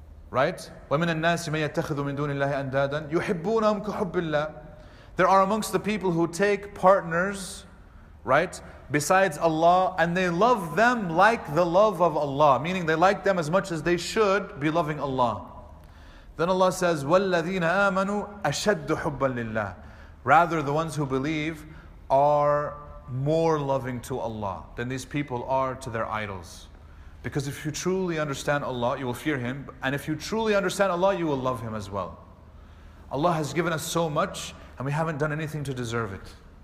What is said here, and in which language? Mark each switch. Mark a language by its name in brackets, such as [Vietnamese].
[English] Right? [Arabic] وَمِنَ النَّاسِ مَن يَتَّخِذُ مِن دُونِ اللَّهِ أَنْدَادًا يُحِبُّونَهُمْ كَحُبِّ اللَّهِ. [English] There are amongst the people who take partners, right, besides Allah, and they love them like the love of Allah, meaning they like them as much as they should be loving Allah. Then Allah says, [Arabic] وَالَّذِينَ آمَنُوا أَشَدُّ حُبًّا لِلَّهِ. [English] Rather, the ones who believe are more loving to Allah than these people are to their idols. Because if you truly understand Allah, you will fear Him, and if you truly understand Allah, you will love Him as well. Allah has given us so much, and we haven't done anything to deserve it.